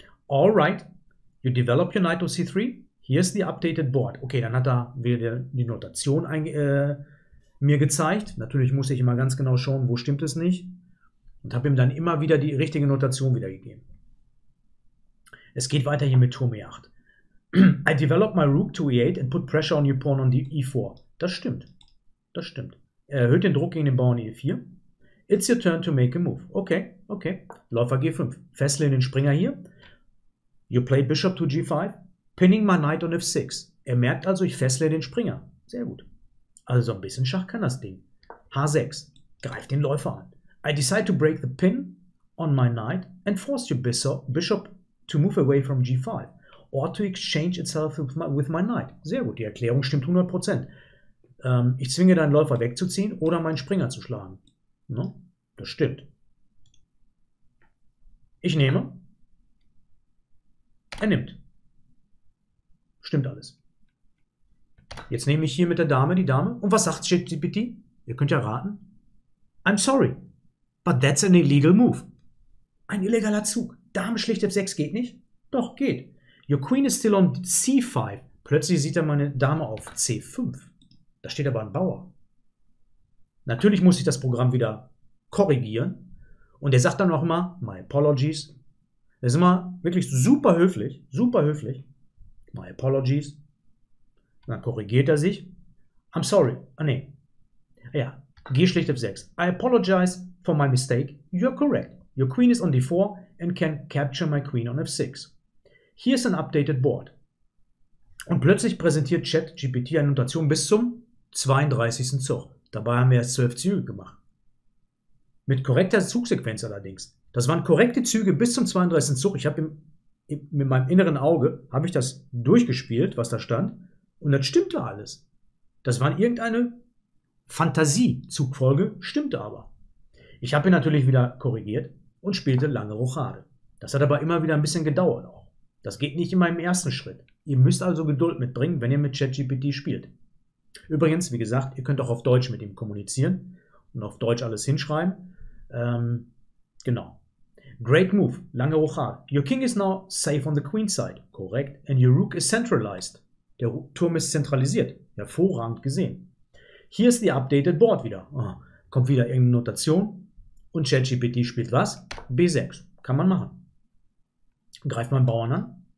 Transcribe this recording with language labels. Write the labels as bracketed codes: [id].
[en] Alright, you develop your knight to C3. Here's the updated board. [de] Okay, dann hat er wieder die Notation mir gezeigt. Natürlich muss ich immer ganz genau schauen, wo stimmt es nicht. Und habe ihm dann immer wieder die richtige Notation wiedergegeben. Es geht weiter hier mit Turm E8. [en] I develop my rook to e8 and put pressure on your pawn on e4. [de] Das stimmt. Er erhöht den Druck gegen den Bauern e4. [en] It's your turn to make a move. Okay. [de] Läufer g5. Fessle den Springer hier. [en] You play bishop to g5. Pinning my knight on f6. [de] Er merkt also, ich fessle den Springer. Sehr gut. Also ein bisschen Schach kann das Ding. h6. Greif den Läufer an. [en] I decide to break the pin on my knight and force your bishop to move away from g5. Or to exchange itself with my knight. [de] Sehr gut, die Erklärung stimmt 100%. Ich zwinge deinen Läufer wegzuziehen oder meinen Springer zu schlagen. No? Bestimmt. Ich nehme. Er nimmt. Stimmt alles. Jetzt nehme ich hier mit der Dame die Dame. Und was sagt ChatGPT? Ihr könnt ja raten. [en] I'm sorry, but that's an illegal move. [de] Ein illegaler Zug. Dame schlicht F6 geht nicht? Doch, geht. [en] Your queen is still on C5. [de] Plötzlich sieht er meine Dame auf C5. Da steht aber ein Bauer. Natürlich muss ich das Programm wieder korrigieren. Und er sagt dann auch immer, [en] my apologies. [de] Er ist immer wirklich super höflich, super höflich. [en] My apologies. [de] Dann korrigiert er sich. [en] I'm sorry. [de] Ah, nee. Ja, G schlicht F6. [en] I apologize for my mistake. You're correct. Your queen is on D4 and can capture my queen on F6. Here is an updated board. [de] Und plötzlich präsentiert ChatGPT eine Notation bis zum 32. Zug. Dabei haben wir erst 12 Züge gemacht. Mit korrekter Zugsequenz allerdings. Das waren korrekte Züge bis zum 32. Zug. Ich habe mit meinem inneren Auge habe ich das durchgespielt, was da stand. Und das stimmte alles. Das war irgendeine Fantasie-Zugfolge, stimmte aber. Ich habe ihn natürlich wieder korrigiert und spielte lange Rochade. Das hat aber immer wieder ein bisschen gedauert auch. Das geht nicht in meinem ersten Schritt. Ihr müsst also Geduld mitbringen, wenn ihr mit ChatGPT spielt. Übrigens, wie gesagt, ihr könnt auch auf Deutsch mit ihm kommunizieren und auf Deutsch alles hinschreiben. Genau. [en] Great move, [de] lange Rochade. [en] Your king is now safe on the queen side. [de] Korrekt. [en] And your rook is centralized. [de] Der Turm ist zentralisiert. Hervorragend gesehen. Hier ist die updated Board wieder. Oh, kommt wieder irgendeine Notation. Und ChatGPT spielt was? B6. Kann man machen. Greift mein Bauern an.